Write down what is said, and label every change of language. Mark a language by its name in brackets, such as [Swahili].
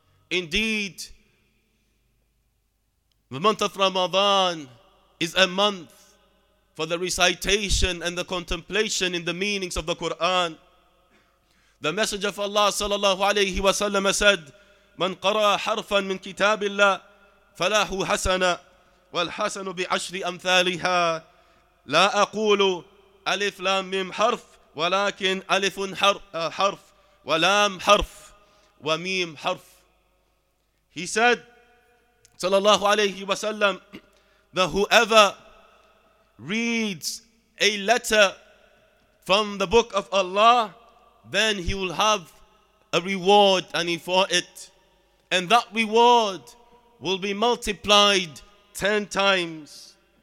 [English] Indeed, the month of Ramadan is a month for the recitation and the contemplation in the meanings of the Quran. The Messenger of Allah sallallahu alayhi wa sallam said, [Arabic] من قرأ حرفا من كتاب الله فله حسنة والحسن بعشر أمثالها. لا أقول ألف لام ميم حرف، ولكن ألف حرف ولام حرف وميم حرف. [English] He said صلى الله عليه وسلم that whoever reads a letter from the book of Allah, then he will have a reward and he for it. And that reward will be multiplied 10 times.